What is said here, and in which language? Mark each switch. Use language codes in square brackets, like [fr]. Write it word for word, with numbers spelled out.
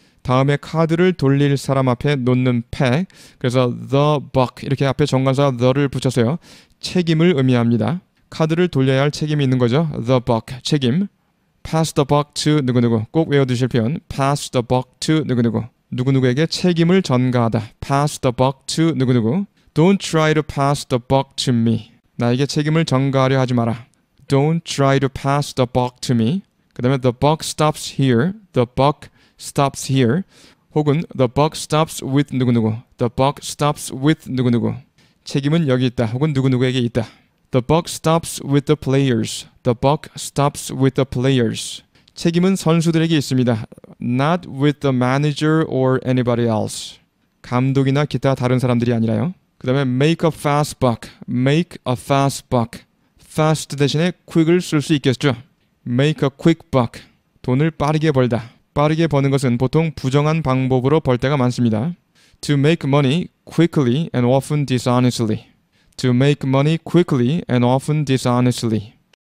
[ko] 다음에 카드를 돌릴 사람 앞에 놓는 패. 그래서 [en] the buck [ko] 이렇게 앞에 정관사 the를 붙여서요. 책임을 의미합니다. 카드를 돌려야 할 책임이 있는 거죠. [en] the buck 책임. pass the buck to 누구누구. [ko] 꼭 외워두실 표현. [en] pass the buck to 누구누구. [ko] 누구누구에게 책임을 전가하다. [en] pass the buck to 누구누구. don't try to pass the buck to me. [ko] 나에게 책임을 전가하려 하지 마라. [en] Don't try to pass the buck to me. [ko] 그 다음에 [en] the buck stops here. The buck stops here. 혹은 the buck stops with 누구누구. The buck stops with 누구누구. [ko] 책임은 여기 있다. 혹은 누구누구에게 있다. [en] The buck stops with the players. The buck stops with the players. [ko] 책임은 선수들에게 있습니다. [en] Not with the manager or anybody else. [ko] 감독이나 기타 다른 사람들이 아니라요. 그 다음에 [en] make a fast buck, make a fast buck. fast 대신에 quick을 [ko] 쓸 수 있겠죠. [en] make a quick buck. [ko] 돈을 빠르게 벌다. 빠르게 버는 것은 보통 부정한 방법으로 벌 때가 많습니다. [en] To make money quickly and often dishonestly. To make money quickly and often dishonestly.